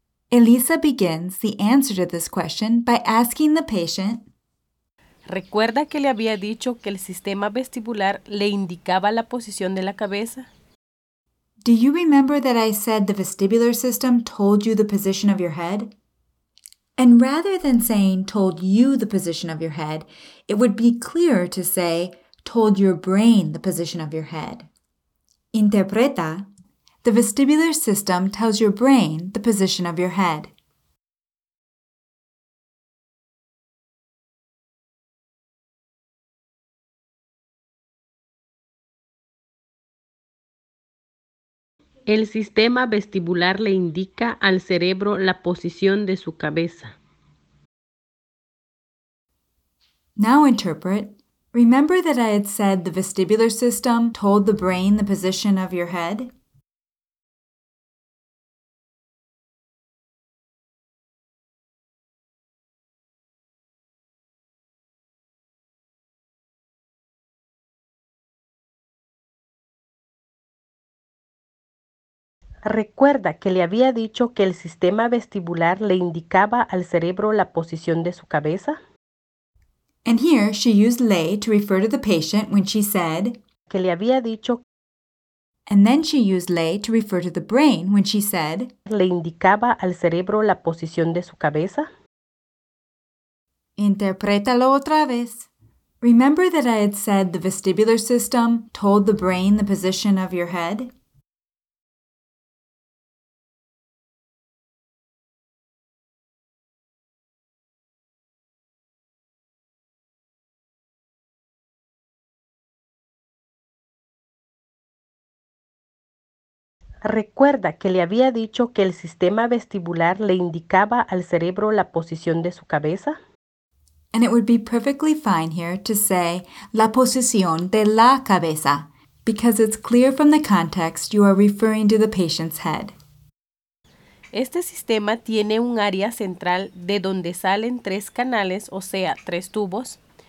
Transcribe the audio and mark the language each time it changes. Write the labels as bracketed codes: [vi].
[en] Elisa begins the answer to this question by asking the patient, [es] ¿Recuerda que le había dicho que el sistema vestibular le indicaba la posición de la cabeza? [en] Do you remember that I said the vestibular system told you the position of your head? And rather than saying told you the position of your head, it would be clearer to say told your brain the position of your head. [es] Interpreta, [en] the vestibular system tells your brain the position of your head. [es] El sistema vestibular le indica al cerebro la posición de su cabeza. [en] Now interpret. Remember that I had said the vestibular system told the brain the position of your head? [es] Recuerda que le había dicho que el sistema vestibular le indicaba al cerebro la posición de su cabeza. [en] And here she used le to refer to the patient when she said [es] que le había dicho. [en] And then she used le to refer to the brain when she said [es] le indicaba al cerebro la posición de su cabeza. Interprétalo otra vez. [en] Remember that I had said the vestibular system told the brain the position of your head? [es] Recuerda que le había dicho que el sistema vestibular le indicaba al cerebro la posición de su cabeza. [en] And it would be perfectly fine here to say [es] la posición de la cabeza, [en] because it's clear from the context you are referring to the patient's head. [es] Este sistema tiene un área central de donde salen tres canales, o sea, tres tubos.